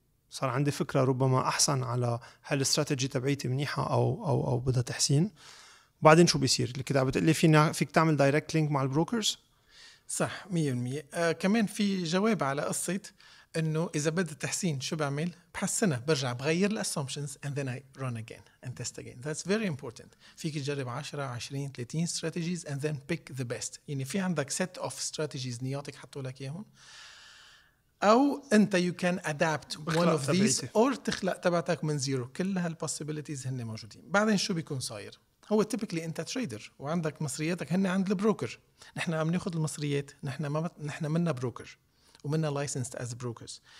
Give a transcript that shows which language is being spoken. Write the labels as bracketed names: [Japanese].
[Arabic] صار عندي فكرة ربما أحسن على هل الاستراتيجي تبعيتي منيحة أو بدها تحسين. بعدين شو بيصير كده؟ بتقلي فيك تعمل دايركت لينك مع البروكرز؟ صح 100%. كمان في جواب على قصة إنه إذا بدها تحسين شو بعمل؟ بحسنها، برجع بغير الأسومشنز [English] and then I run again and test again. That's very important. [Arabic] فيك تجرب [English] 10 20 30 strategies and then pick the best. [Arabic] يعني في عندك [English] set of strategies [Arabic] نياتك حطوا لك إياهم، أو أنت [English] you can adapt one of these or [Arabic] تخلق تبعتك من zero. كل هالpossibilities هن موجودين. بعدين شو بيكون صاير؟ هو typically أنت trader وعندك مصرياتك هن عند البروكر. نحن عم ناخد المصريات، نحن ما نحن منا بروكر ومنا [English] licensed as brokers.